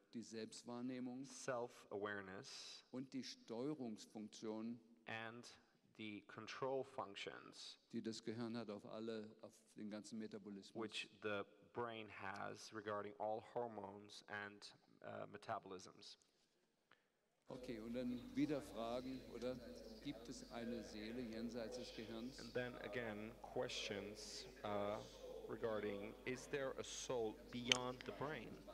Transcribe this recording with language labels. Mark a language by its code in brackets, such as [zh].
[de] die Selbstwahrnehmung, [en] self-awareness, [de] und die Steuerungsfunktion, [en] and the control functions, [de] die das Gehirn hat auf alle, auf den ganzen Metabolismus, [en] which the brain has regarding all hormones and metabolisms. [de] Okay, und dann wieder Fragen, oder? Gibt es eine Seele jenseits des Gehirns? [en] And then again, questions, regarding, is there a soul beyond the brain?